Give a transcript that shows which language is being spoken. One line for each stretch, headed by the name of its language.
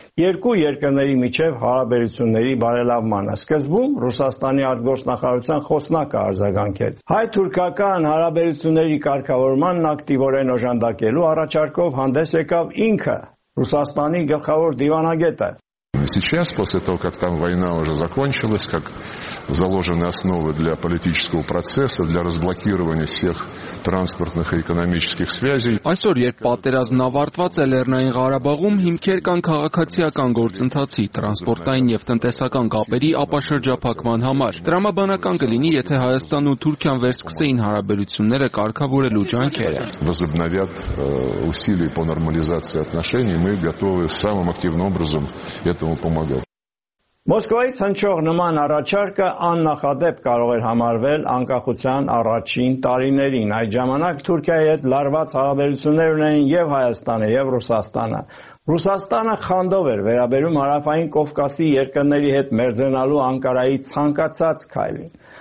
Armenian: երկու երկրների միջև հարաբերությունների բարելավմանը։ Սկզբում Ռուսաստանի արտգործնախարարության խոսնակը արձագանքեց հայ-թուրքական հարաբերությունների կարգավորման ակտիվորեն օժանդակելու առաջարկով հանդես եկավ ինքը՝ Ռուսաստանի գլխավոր դիվանագետը։
Russian: Сейчас, после того, как там война уже закончилась, как заложены основы для политического процесса, для разблокирования всех транспортных и экономических связей.
Armenian: Այսօր, երբ պատերազմն ավարտված է Լեռնային Ղարաբաղում, հիմքեր կան քաղաքացիական գործընթացի, տրանսպորտային եւ տնտեսական կապերի ապաշրջափակման համար։ Տրամաբանական կլինի, եթե Հայաստանն ու Թուրքիան վերսկսեին հարաբերությունները կարգավորելու ջանքերը։
Russian: Возобновят усилия по нормализации отношений, мы готовы самым активным образом этому помогать.
Armenian: Մոսկվայից հնչող նման առաջարկը աննախադեպ կարող էր համարվել անկախության առաջին տարիներին։ Այդ ժամանակ Թուրքիայի հետ լարված հարաբերություններ ունեին և Հայաստանը, և Ռուսաստանը։ Ռուսաստանը խանդով էր վերաբերում Հարավային Կովկասի երկրների հետ մերձենալու Անկարայի ցանկացած քայլին։